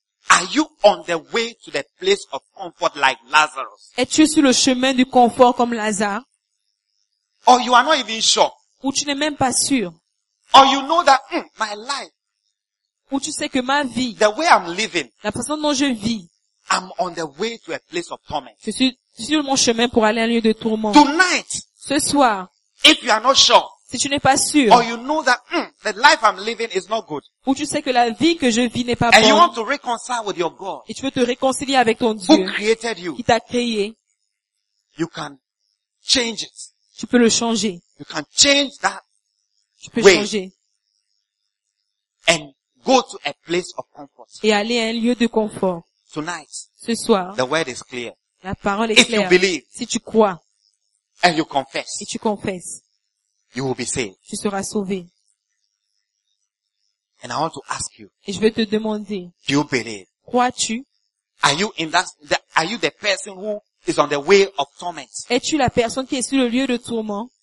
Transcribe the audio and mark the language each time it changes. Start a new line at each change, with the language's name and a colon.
English: Are you on the way to the place of comfort like Lazarus?
French: Es-tu sur le chemin du confort comme Lazare?
English: Or you are not even sure.
French: Ou tu n'es même pas sûr.
English: Or you know that my life.
French: Ou tu sais que ma vie.
English: The way I'm living.
French: La façon dont je vis.
English: I'm on the way to a place of torment.
French: Je suis sur mon chemin pour aller à un lieu de tourment.
English: Tonight.
French: Ce soir.
English: If you are not sure.
French: Si tu n'es pas sûr.
English: Or you know that the life I'm living is not good.
French: Ou tu sais que la vie que je vis n'est pas
English: and
French: bonne.
English: And you want to reconcile with your God.
French: Et tu veux te réconcilier avec ton Dieu.
English: Who created you?
French: Qui t'a créé?
English: You can change it.
French: Tu peux le changer.
English: You can change that.
French: Tu peux changer.
English: And go to a place of comfort.
French: Et aller à un lieu de confort.
English: Tonight.
French: Ce soir.
English: The word is clear.
French: La parole est
English: if
French: claire.
English: If you believe.
French: Si tu crois.
English: And you confess.
French: Et tu confesses.
English: You will be saved.
French: Tu seras sauvé.
English: And I want to ask you.
French: Et je veux te demander.
English: Do you believe?
French: Crois-tu?
English: Are you in that? Are you the person who is on the way of torment?
French: Es-tu la personne qui est sur le lieu de tourment?